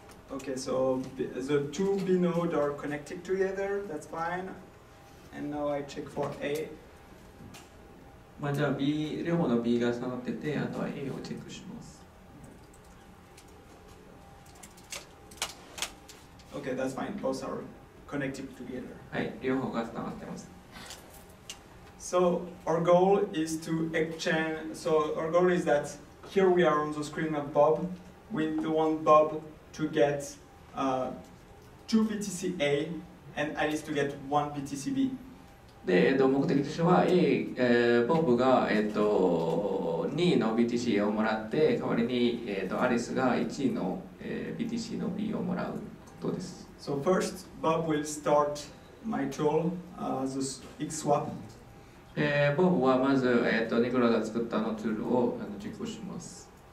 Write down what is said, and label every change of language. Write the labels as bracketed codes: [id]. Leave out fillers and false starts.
[en] Okay, so the two B nodes are connected together, that's fine. And now I check for A. [ja] まあじゃあ B 両方の B が繋がってて、あとは A をチェックします。 [en] Okay, that's fine. Both are connected together. [ja] はい、両方が繋がってます。 [en] So our goal is to exchange. So our goal is that here we are on the screen of Bob. We want Bob to get 2 BTCA and Alice to get 1 BTCB. [ja] で、目的としては、A、ボブが、2の BTC をもらって、代わりに、アリスが1の、BTC の B をもらうことです。 [en] So first, Bob will start my tool, the X-Swap. [ja] ボブはまず、ニコラが作ったあのツールを実行します。